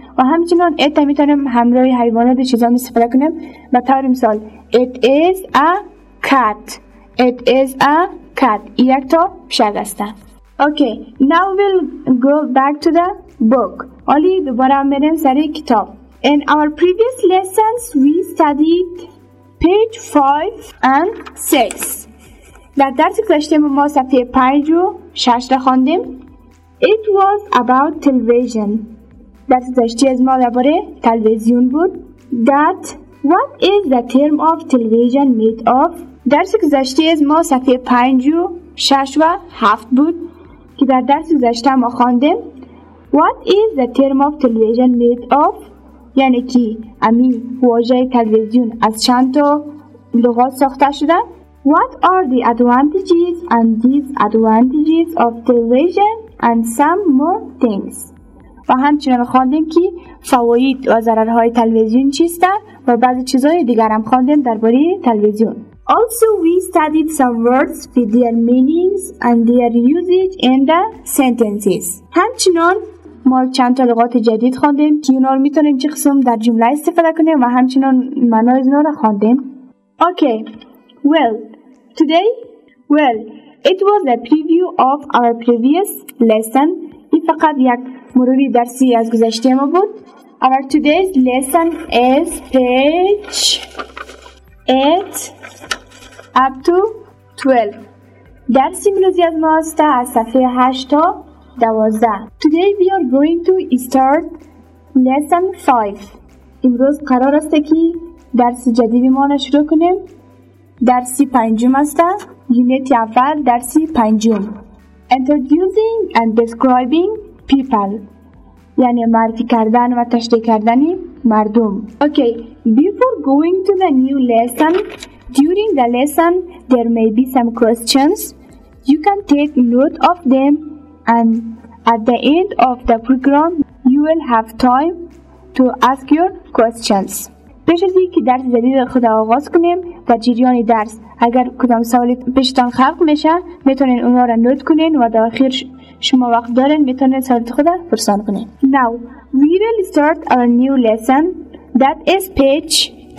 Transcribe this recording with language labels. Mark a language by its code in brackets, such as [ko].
[fa] و همچنان it میتونیم همراهی حیوانات و چیزها استفاده کنیم. و طور مثال [en] It is a cat. It is a cat. [fa] یک تا پشگ است. [en] Okay. Now we'll go back to the book. [fa] Only دوباره میرم سر کتاب. [en] In our previous lessons, we studied page 5 and 6. [fa] در درس گذشته ما صفحه 5 و 6 را خواندیم. [en] It was about television. [fa] درس گذشته ما درباره تلویزیون بود. [en] That what is the term of television made of? [fa] درس گذشته از ما صفحه 5 و 6 و 7 بود که در درس گذشته ما خواندیم. [en] What is the term of television made of؟ [fa] یعنی که امی واژه تلویزیون از چند تا لغات ساخته شده. [en] What are the advantages and disadvantages of television [fa] and some more things؟ و همچنان خواندیم که فواید و ضررهای تلویزیون چیست و بعضی چیزهای دیگر هم خواندیم درباره تلویزیون. [en] Also, we studied some words with their meanings and their usage in the sentences. [fa] همچنان ما چند تا لغات جدید خواندیم که اونا رو میتونیم چه قسم در جمله استفاده کنیم و همچنان معنای اونا رو خواندیم. [en] Okay, well, today, well, it was a preview of our previous lesson. [fa] این فقط یک مروری درسی از گذشته ما بود. [en] Our today's lesson is page 8 up to 12. [fa] درس امروزی از ما است از صفحه 8 تا 12. [en] Today we are going to start lesson 5. [fa] امروز قرار است که درس جدیدی ما را شروع کنیم. درسی پنجم است. یونیت اول درسی پنجم. [en] Introducing and describing people. [fa] یعنی معرفی کردن و تشریح کردن مردم. [en] Okay, before going to the new lesson, during the lesson, there may be some questions. You can take note of them and at the end of the program, you will have time to ask your questions. [fa] پیش از اینکه درس جدید خود آغاز کنیم و جریان درس، اگر کدام سوالی پیشتان خلق میشه، میتونین اونا را نوت کنین و در آخر شما وقت دارین میتونین سوالی خود را پرسان کنین. [en] Now, we will start our new lesson. That is page 8.